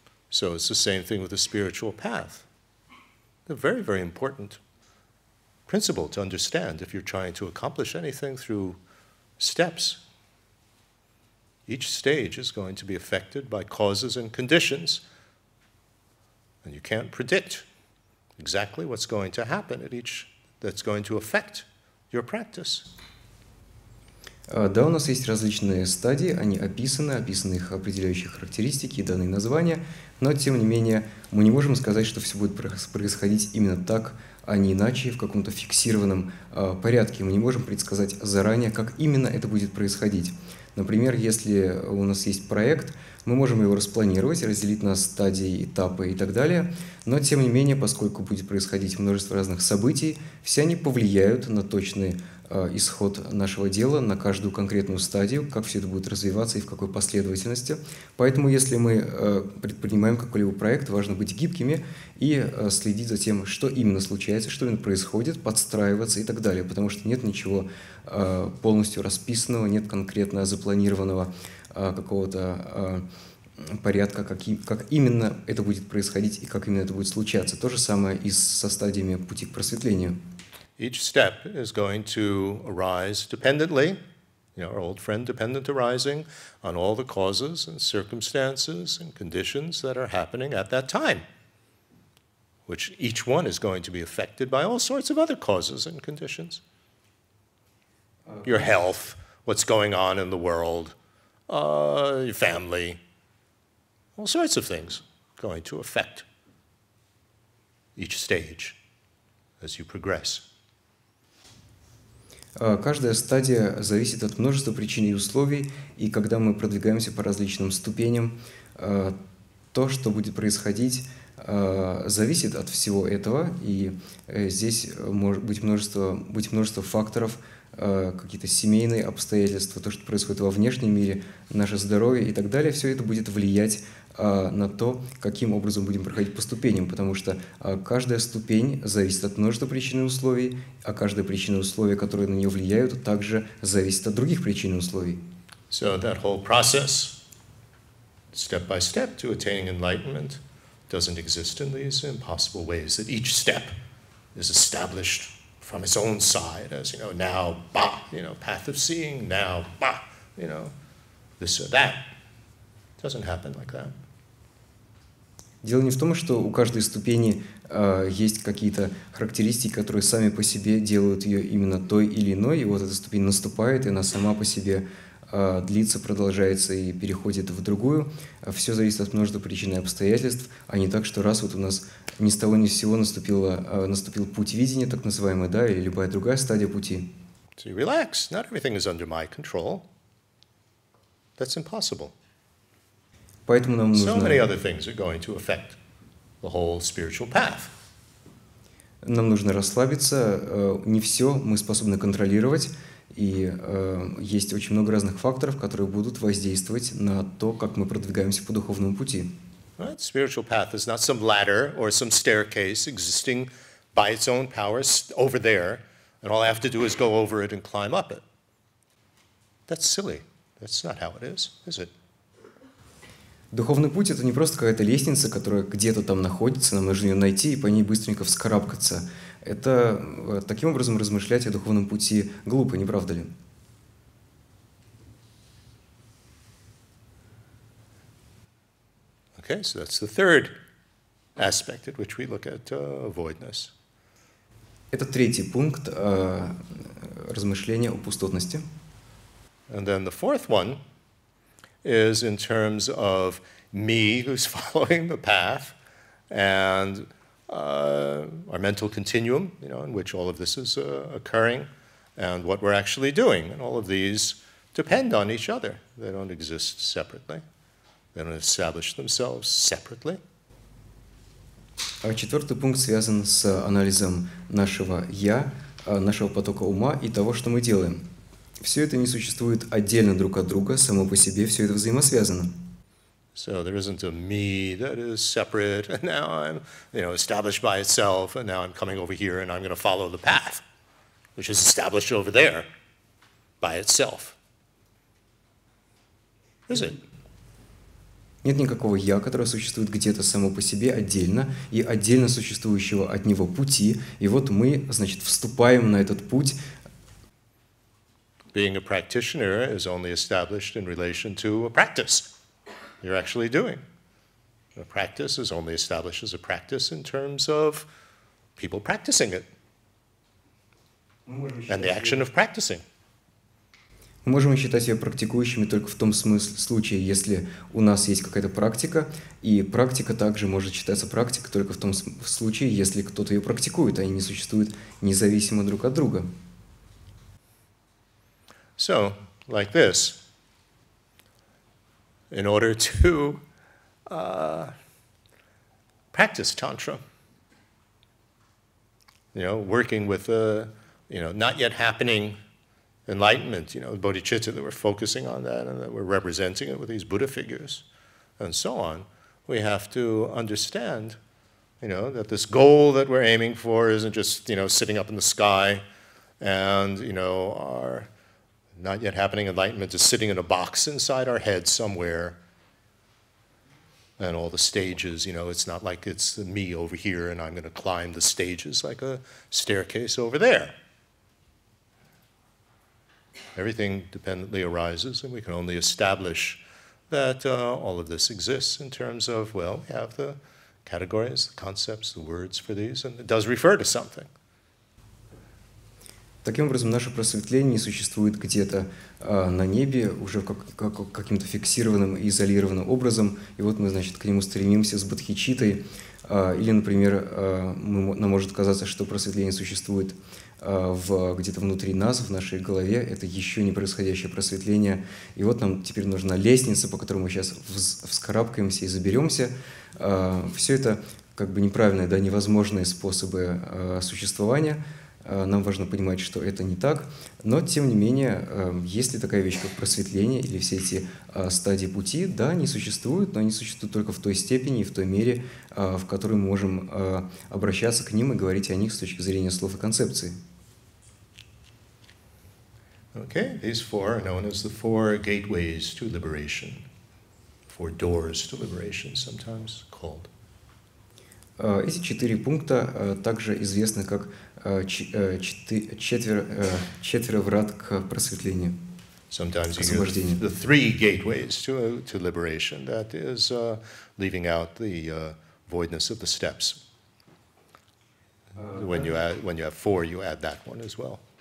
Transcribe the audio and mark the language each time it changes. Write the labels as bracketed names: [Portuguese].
[English] So it's the same thing with the spiritual path. A very, very important principle to understand if you're trying to accomplish anything through steps. Each stage is going to be affected by causes and conditions, and you can't predict exactly what's going to happen at each that's going to affect your practice. [Russian] Да, у нас есть различные стадии, они описаны, описаны их определяющие характеристики и данные названия, но, тем не менее, мы не можем сказать, что все будет происходить именно так, а не иначе, в каком-то фиксированном порядке. Мы не можем предсказать заранее, как именно это будет происходить. Например, если у нас есть проект, мы можем его распланировать, разделить на стадии, этапы и так далее, но, тем не менее, поскольку будет происходить множество разных событий, все они повлияют на точные исход нашего дела на каждую конкретную стадию, как все это будет развиваться и в какой последовательности. Поэтому, если мы предпринимаем какой-либо проект, важно быть гибкими и следить за тем, что именно случается, что именно происходит, подстраиваться и так далее, потому что нет ничего полностью расписанного, нет конкретно запланированного какого-то порядка, как именно это будет происходить и как именно это будет случаться. То же самое и со стадиями пути к просветлению. [English] Each step is going to arise dependently, you know, our old friend dependent arising, on all the causes and circumstances and conditions that are happening at that time, which each one is going to be affected by all sorts of other causes and conditions. Your health, what's going on in the world, your family, all sorts of things going to affect each stage as you progress. [Russian] Каждая стадия зависит от множества причин и условий, и когда мы продвигаемся по различным ступеням, то, что будет происходить, зависит от всего этого, и здесь может быть множество факторов, какие-то семейные обстоятельства, то, что происходит во внешнем мире, наше здоровье и так далее, все это будет влиять на то, каким образом будем проходить по ступеням, потому что каждая ступень зависит от множества причин и условий, а каждая причина и условия, которые на нее влияют, также зависит от других причин и условий. [English] So that whole process, step by step, to attaining enlightenment, doesn't exist in these impossible ways, that each step is established from its own side, as, you know, now, bah, you know, path of seeing, now, bah, you know, this or that. It doesn't happen like that. [Russian] Дело не в том, что у каждой ступени есть какие-то характеристики, которые сами по себе делают ее именно той или иной, и вот эта ступень наступает, и она сама по себе длится, продолжается и переходит в другую. Все зависит от множества причин и обстоятельств, а не так, что раз вот у нас ни с того ни с сего наступил путь видения, так называемый, да, или любая другая стадия пути. [English] So you relax. Not everything is under my control. That's impossible. [Russian] Поэтому нам нужно... [English] So many other things are going to affect the whole spiritual path. [Russian] Нам нужно расслабиться. Не все мы способны контролировать. И есть очень много разных факторов, которые будут воздействовать на то, как мы продвигаемся по духовному пути. [English] Right? Spiritual path is not some ladder or some staircase existing by its own power over there. And all I have to do is go over it and climb up it. That's silly. That's not how it is, is it? [Russian] Духовный путь — это не просто какая-то лестница, которая где-то там находится, нам нужно ее найти и по ней быстренько вскарабкаться. Это таким образом размышлять о духовном пути глупо, не правда ли? [English] Okay, so that's the third aspect at which we look at voidness. [Russian] Это третий пункт размышления о пустотности. [English] And then the fourth one is in terms of me who's following the path and our mental continuum, you know, in which all of this is occurring and what we're actually doing. And all of these depend on each other. They don't exist separately. They don't establish themselves separately. [Russian] А четвертый пункт связан с анализом нашего «я», нашего потока ума и того, что мы делаем. Все это не существует отдельно друг от друга, само по себе все это взаимосвязано. [English] So there isn't a me that is separate, and now I'm, you know, established by itself, and now I'm coming over here, and I'm going to follow the path, which is established over there, by itself. Is it? [Russian] Нет никакого «я», которое существует где-то само по себе отдельно и отдельно существующего от него пути, и вот мы, значит, вступаем на этот путь. [English] Being a practitioner is only established in relation to a practice you're actually doing. A practice is only established as a practice in terms of people practicing it and the action of practicing. [Russian] Мы можем считать себя практикующими только в том случае, если у нас есть какая-то практика, и практика также может считаться практикой только в том случае, если кто-то ее практикует, а они не существуют независимо друг от друга. [English] So, like this, in order to practice tantra, you know, working with the, you know, not yet happening enlightenment, you know, bodhicitta, that we're focusing on that and that we're representing it with these Buddha figures and so on, we have to understand, you know, that this goal that we're aiming for isn't just, you know, sitting up in the sky and, you know, our not yet happening enlightenment is sitting in a box inside our head somewhere and all the stages, you know, it's not like it's me over here and I'm going to climb the stages like a staircase over there. Everything dependently arises, and we can only establish that all of this exists in terms of, well, we have the categories, the concepts, the words for these, and it does refer to something. [Russian] Таким образом, наше просветление не существует где-то на небе, уже каким-то фиксированным и изолированным образом, и вот мы, значит, к нему стремимся с бодхичиттой. Или, например, нам может казаться, что просветление существует где-то внутри нас, в нашей голове, это еще не происходящее просветление. И вот нам теперь нужна лестница, по которой мы сейчас вскарабкаемся и заберемся. Все это как бы неправильные, да, невозможные способы существования. Нам важно понимать, что это не так. Но, тем не менее, есть ли такая вещь, как просветление или все эти стадии пути? Да, они существуют, но они существуют только в той степени и в той мере, в которой мы можем обращаться к ним и говорить о них с точки зрения слов и концепции. [English] Okay, these four are known as the four gateways to liberation. Four doors to liberation, sometimes called. [Russian] Эти четыре пункта также известны как четверо врат к просветлению. [English] Sometimes you hear the three gateways to liberation. That is leaving out the voidness of the steps. When you have four, you add that one as well.